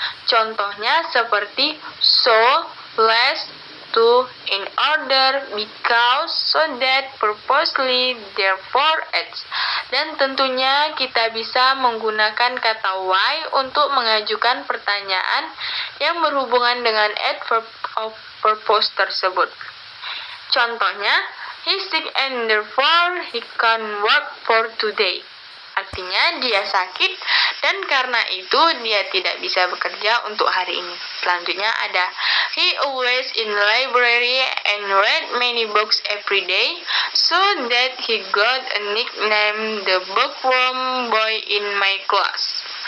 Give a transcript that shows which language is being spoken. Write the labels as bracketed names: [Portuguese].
[Indonesian] Contohnya seperti so, less, to, in order, because, so that, purposely, therefore, as. Dan tentunya kita bisa menggunakan kata why untuk mengajukan pertanyaan yang berhubungan dengan adverb of purpose tersebut. Contohnya, [English] he's sick and therefore he can't work for today. [Indonesian] Artinya dia sakit dan karena itu dia tidak bisa bekerja untuk hari ini. Selanjutnya ada [English] he always in library and read many books every day so that he got a nickname the bookworm boy in my class.